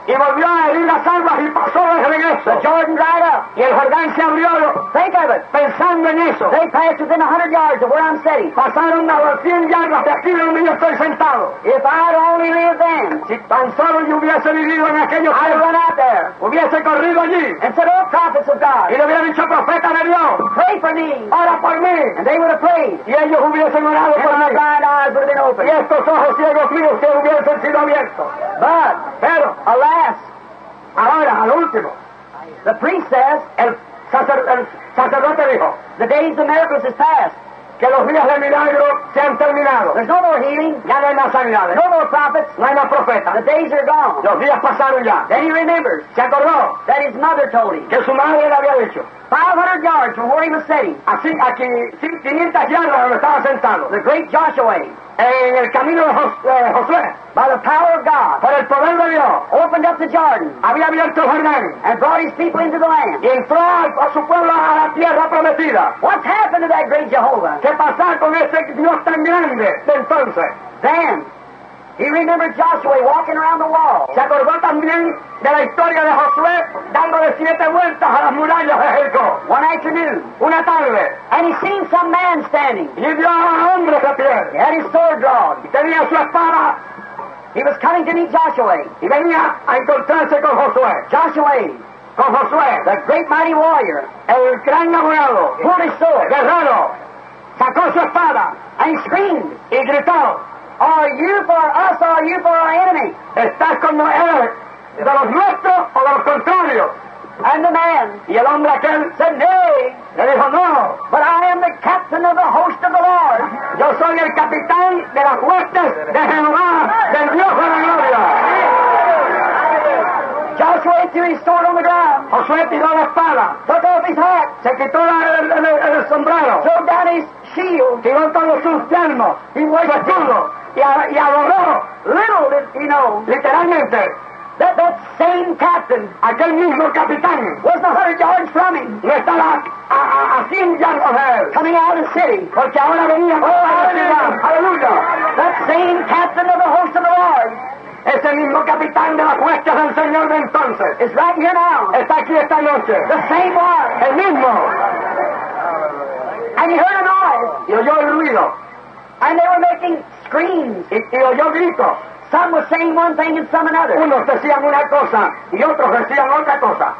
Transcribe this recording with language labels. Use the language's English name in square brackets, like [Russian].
[Spanish] Y volvió a herir las aguas y pasó de regreso. [English] The Jordan dried up. [Spanish] Y el Jordán se abrió. [English] Think of it. [Spanish] Pensando en eso. [English] They passed within 100 yards of where I'm sitting. [Spanish] Pasaron a 100 yardas de aquí donde yo estoy sentado. [English] If I'd only lived then. [Spanish] Si tan solo yo hubiese vivido en aquellos tiempos, [English] I'd run out there. [Spanish] Hubiese corrido allí. [English] And said, oh, prophets of God. [Spanish] Y le hubiera dicho, profeta de Dios. [English] Pray for me. [Spanish] Ora por mí. [English] And they would have prayed. [Spanish] Y ellos hubiesen orado por mí. [English] And my blind eyes would have been opened. [Spanish] Y estos ojos ciegos míos se hubiesen sido abiertos. [English] But, [Spanish] pero, [English] alas, [Spanish] ahora, al último, [English] the priest says, [Spanish] el sacerdote dijo, [English] the days of miracles is past. [Spanish] Que los días de milagro se han terminado. [English] There's no more healing. [Spanish] Ya no hay más sanidades. [English] No more prophets. [Spanish] No hay más profetas. [English] The days are gone. [Spanish] Los días pasaron ya. [English] Then he remembers. [Spanish] Se acordó. [English] That his mother told him. [Spanish] Que su madre le había dicho. [English] 500 yards from where he was sitting. [Spanish] Así, aquí, 500 yardas donde estaba sentado. [English] The great Joshua. [Spanish] En el camino de Josué. [English] By the power of God. [Spanish] Por el poder de Dios. [English] Opened up the Jordan. [Spanish] Había abierto el Jordán. [English] And brought his people into the land. [Spanish] Y entró a su pueblo a la tierra prometida. [English] What's happened to that great Jehovah? [Spanish] ¿Qué pasó con ese Dios tan grande de entonces? [English] Then, he remembered Joshua walking around the wall. [Spanish] Se acordó también de la historia de Josué dándole 7 vueltas a las murallas de Jericó. [English] One afternoon. [Spanish] Una tarde. [English] And he seen some man standing. [Spanish] Y vio a un hombre de pie. [English] He had his sword drawn. [Spanish] Y tenía su espada. [English] He was coming to meet Joshua. [Spanish] Y venía a encontrarse con Josué. [English] Joshua. [Spanish] Con Josué. [English] The great mighty warrior. [Spanish] El gran abogado. [English] Pulled his sword. [Spanish] Guerrero. sacó su espada [English] and screamed. [Spanish] Y gritó, [English] are you for us or are you for our enemy? [Spanish] ¿Estás con nosotros, de los nuestros o de los contrarios? [English] And the man, [Spanish] y el hombre aquel, [English] said, nay. [Spanish] Le dijo, no. [English] But I am the captain of the host of the Lord. [Spanish] Yo soy el capitán de las huestes de Jehová, del Dios de la gloria. [English] Joshua threw his sword on the ground. [Spanish] Josué tiró la espada. [English] Took off his hat. [Spanish] Se quitó el sombrero. [English] Threw down his shield. [Spanish] Tiró todos sus yelmos. [English] He was [Spanish] chulo. Y adoró. [English] Little did he know. [Spanish] Literalmente. [English] That same captain, [Spanish] aquel mismo capitán, [English] was 100 yards from him. [Spanish] No estaba a [English] 100 yards from him. Coming out of the city, [Spanish] porque ahora venía. [English] Oh, hallelujah! [Spanish] Hallelujah! [English] That same captain of the host of the Lord, [Spanish] ese mismo capitán de las huestes del Señor de entonces, [English] is right here now. [Spanish] Está aquí esta noche. [English] The same one, [Spanish] el mismo. [English] And he heard a noise. [Spanish] Y oyó el ruido. [English] And they were making screams. [Spanish] Y oyó gritos. [English] Some were saying one thing and some another. [Spanish] Unos decían una cosa y otros decían otra cosa.